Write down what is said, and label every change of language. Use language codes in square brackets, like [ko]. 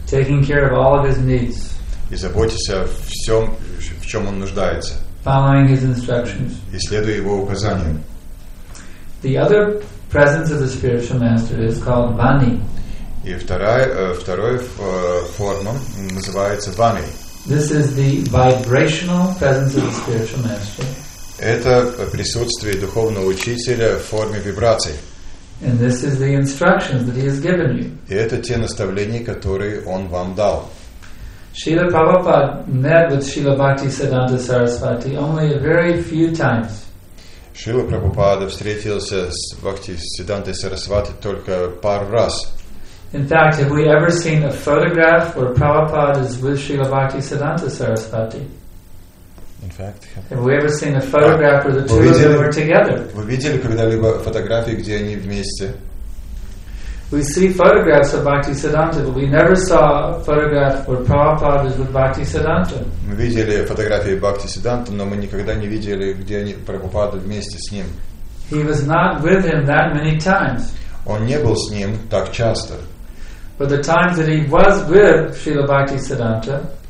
[en] Taking care of all of his needs. [ru] И заботиться о всем, в чем он нуждается. [en] Following his instructions. [ru] И следуя его указаниям. [en] The other presence of the spiritual master is called Vani. [ru] И вторая форма называется Vani. [en] This is the vibrational presence of the spiritual master. [ru] Это присутствие духовного учителя в форме вибраций. [en] And this is the instructions that he has given you. [ru] И это те наставления, которые он вам дал. [en] Srila Prabhupada met with Srila Bhakti Siddhanta Sarasvati only a very few times. [ru] Srila Prabhupada встретился с Бхакти Сиддхантой Сарасвати только пару раз. [en] In fact, have we ever seen a photograph where Prabhupada is with Srila Bhakti Siddhanta Sarasvati? In fact, have we ever seen a photograph where the two of them are together? [ru] Вы видели когда-либо фотографии, где они вместе? [en] We see photographs of Bhaktisiddhanta, but we never saw a photograph where Prabhupada is with Bhaktisiddhanta. [ru] Мы видели фотографии Бхактисидданты, но мы никогда не видели, где они Прабхупада вместе с ним. [en] He was not with him that many times. [ru] Он не был с ним так часто. [en] But the times that he was with Srila Bhaktisiddhanta.